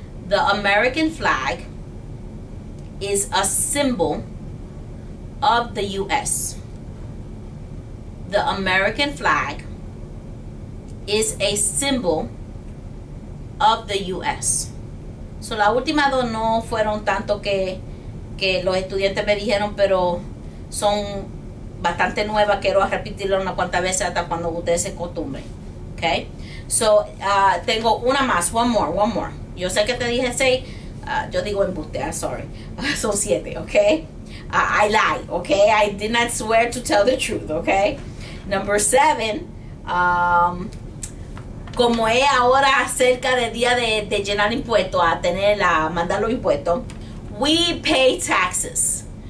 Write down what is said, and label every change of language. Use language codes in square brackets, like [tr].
[en] The American flag is a symbol of the U.S. The American flag is a symbol of the U.S. [es] So, la última dos no fueron tanto que los estudiantes me dijeron, pero son bastante nueva, quiero repetirlo una cuanta vez hasta cuando ustedes se acostumbren. Okay? So, tengo una más, [en] one more. [es] Yo sé que te dije seis, yo digo embuste, [en] I'm sorry. [es] Son siete, okay? [en] I lied, okay? I did not swear to tell the truth, okay? [es] Number seven, como es ahora cerca del día de llenar impuestos, a tener la, mandar los impuestos, [en] we pay taxes.